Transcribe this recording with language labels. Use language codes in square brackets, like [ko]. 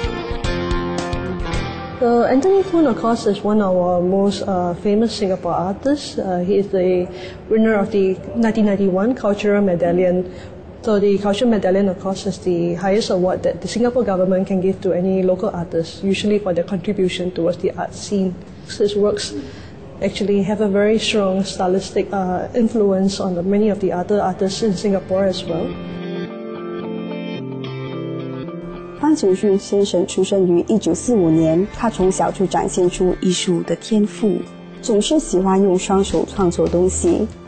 [zh] 方景顺成为新加坡现代派艺术创作的先驱之一。以上是电视台造访新加坡国家艺术馆，并访问助理馆长艺术家温女士，进一步认识这位令人钦佩的方景顺先生。 [en] So Anthony Poon, of course, is one of our most famous Singapore artists. He is the winner of the 1991 Cultural Medallion. So the Cultural Medallion, of course, is the highest award that the Singapore government can give to any local artist, usually for their contribution towards the art scene. His works actually have a very strong stylistic influence on many of the other artists in Singapore as well. [zh] 方景顺先生出生于1945年, 他从小就展现出艺术的天赋，总是喜欢用双手创作东西。